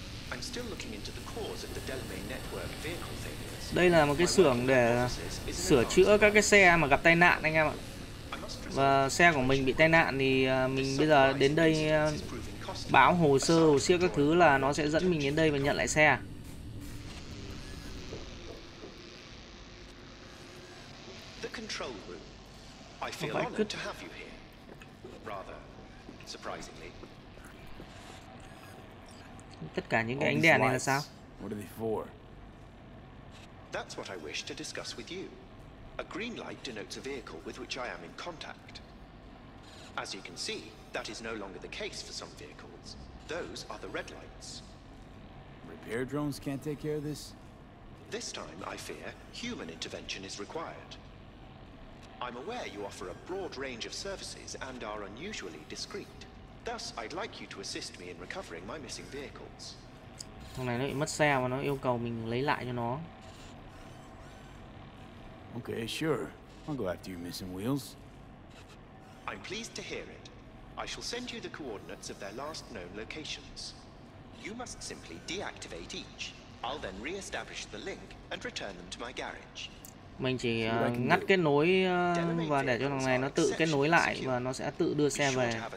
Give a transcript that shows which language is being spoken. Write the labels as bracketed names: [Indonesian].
[English] I'm still looking into the cause of the Delamain network vehicle failures. [Vietnamese] Đây là một cái xưởng để sửa chữa các cái xe mà gặp tai nạn anh em ạ. Và xe của mình bị tai nạn thì mình bây giờ đến đây báo hồ sơ, hồ sơ các thứ là nó sẽ dẫn mình đến đây và nhận lại xe. [English] The control room. I feel honored to have you here. Rather surprisingly. [Vietnamese] Tất cả những cái ánh đèn này là sao? [English] What are they for? That's what I wish to discuss with you. A green light denotes a vehicle with which I am in contact. As you can see, that is no longer the case for some vehicles. Those are the red lights. Repair drones can't take care of this. This time, I fear, human intervention is required. I'm aware you offer a broad range of services and are unusually discreet. Thus, I'd like you to assist me in recovering my missing vehicles. [Vietnamese] Thằng này nó bị mất xe mà nó yêu cầu mình lấy lại cho nó. [English] Okay, sure. I'll go after you, Missing Wheels. I'm pleased to hear it. I shall send you the coordinates of their last known locations. You must simply deactivate each. I'll then re-establish the link and return them to my garage. [Vietnamese] Mình chỉ ngắt kết nối và để cho thằng này nó tự kết nối lại và nó sẽ tự đưa xe về.